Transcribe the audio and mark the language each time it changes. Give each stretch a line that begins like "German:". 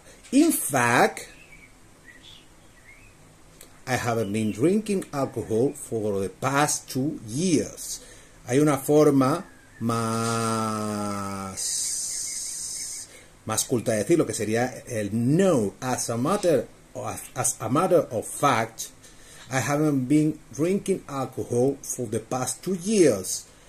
English: In fact, I haven't been drinking alcohol for the past 2 years.
Spanish: Hay una forma más culta de decirlo, que sería el no.
English: As a matter of fact, I haven't been drinking alcohol for the past 2 years.